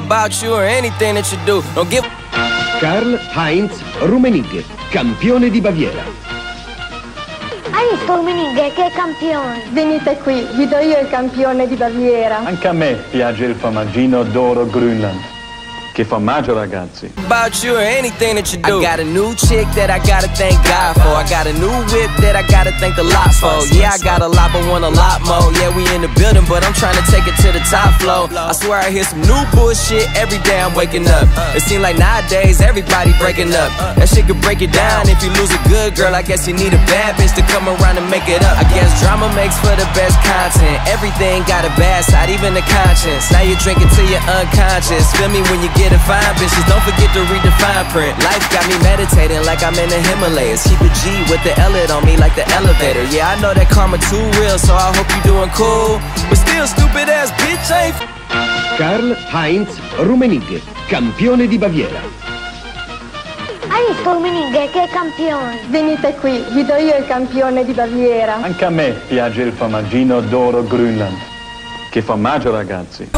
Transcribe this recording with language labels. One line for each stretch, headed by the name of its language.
Italian: Karl Heinz Rummenigge, campione di Baviera. Hai visto Rummenigge, che campione? Venite qui, vi do io il campione di Baviera. Anche a me piace il formaggino d'oro Grünland. Che formaggio, ragazzi.
English: About you or anything that you do. I got a new chick that I gotta thank God for. I got a new whip that I gotta thank the lot for. Yeah, I got a lot, but want a lot more. Yeah, we in the building, but I'm trying to take it to the top floor. I swear I hear some new bullshit every day I'm waking up. It seems like nowadays everybody breaking up. That shit could break you down if you lose a good girl. I guess you need a bad bitch to come around and make it up. I guess drama makes for the best content. Everything got a bad side, even the conscience. Now you're drinking till you're unconscious. Feel me when you get a fine bitches, don't forget to read the fine print. Life got me meditating like I'm in the Himalayas. Keep a G with the L-it on me like the elevator. Yeah, I know that karma too real, so I hope you doing cool. But still stupid ass bitch, ain't
Italian: Karl Heinz Rummenigge, campione di Baviera. Hai visto Rummenigge, che campione? Venite qui, vi do io il campione di Baviera. Anche a me piace il formaggino d'oro Grünland. Che formaggio, ragazzi.